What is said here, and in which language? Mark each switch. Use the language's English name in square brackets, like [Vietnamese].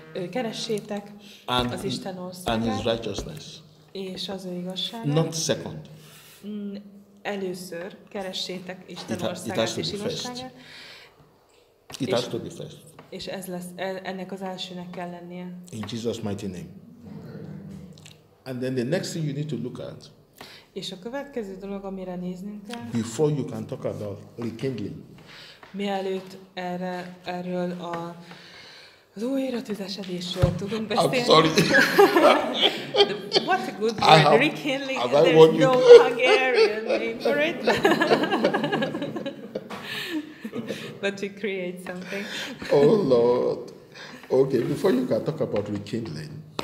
[Hungarian] Keressétek az Isten országát. [English] And his righteousness. [Hungarian] És az ő igazságát. [English] Not second. [Hungarian] Először keressétek Isten országát és igazságát. [English] It has to be first. [Hungarian] És ez lesz, ennek az elsőnek kell lennie. [English] In Jesus' mighty name. And then the next thing you need to look at. [Hungarian] És a következő dolog, amire néznünk kell. [English] Before you can talk about rekindling. [Hungarian] Mielőtt erről a az újra tüzesedésről tudunk beszélni. [English] I'm sorry. What a good word. Rekindling. There's no Hungarian name for it. But to create something. Oh Lord. Okay, before you can talk about rekindling.